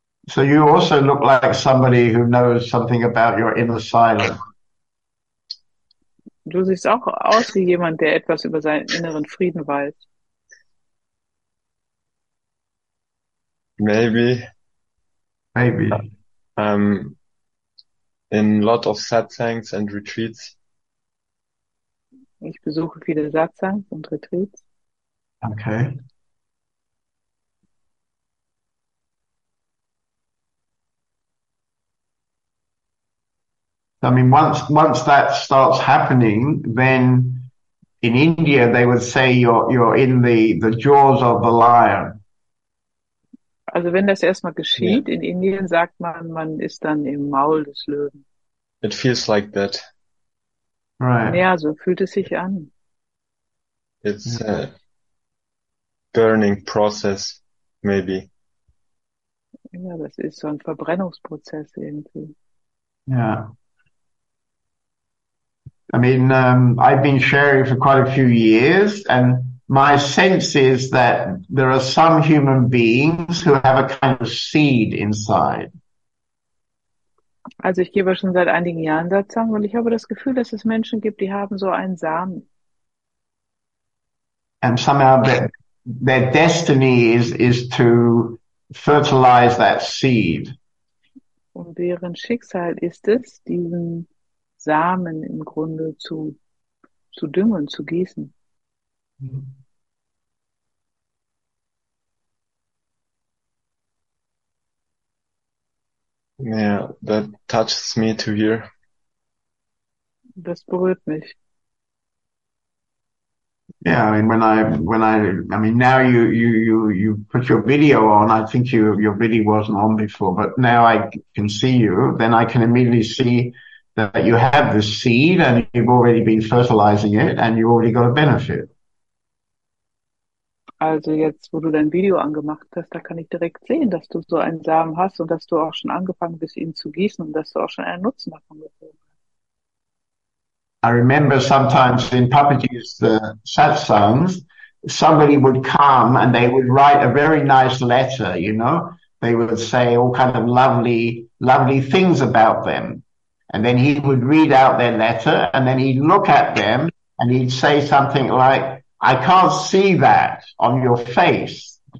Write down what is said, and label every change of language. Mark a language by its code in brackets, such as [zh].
[en] So you also look like somebody who knows something about your inner silence. [de] Du siehst auch aus wie jemand, der etwas über seinen inneren Frieden weiß. [en] Maybe. Maybe. In lot of satsangs and retreats. [de] Ich besuche viele Satsangs und Retreats. [en] Okay. I mean, once that starts happening, then in India they would say you're in the jaws of the lion. [de] Also wenn das erstmal geschieht, yeah. In Indien sagt man ist dann im Maul des Löwen. [en] It feels like that. Right. [de] Ja, so fühlt es sich an. [en] It's a burning process, maybe. [de] Ja, das ist so ein Verbrennungsprozess irgendwie. Ja. Yeah. [en] I mean, I've been sharing for quite a few years, and my sense is that there are some human beings who have a kind of seed inside. [de] Also, ich gebe schon seit einigen Jahren Satsang, und ich habe das Gefühl, dass es Menschen gibt, die haben so einen Samen. [en] And somehow their destiny is to fertilize that seed. [de] Und deren Schicksal ist es, diesen Samen im Grunde zu düngen, zu gießen. [en] Yeah, that touches me to hear. [de] Das berührt mich. [en] Yeah, I mean when I mean now you put your video on, I think your video wasn't on before, but now I can see you, then I can immediately see that you have the seed and you've already been fertilizing it and you already got a benefit. [de] Also jetzt, wo du dein Video angemacht hast, da kann ich direkt sehen, dass du so einen Samen hast und dass du auch schon angefangen bist, ihn zu gießen und dass du auch schon einen Nutzen davon gezogen hast. [en] I remember sometimes in Papaji's satsangs, somebody would come and they would write a very nice letter, you know. They would say all kind of lovely, lovely things about them. And then he would read out their letter, and then he'd look at them, and he'd say something like, I can't see that on your face.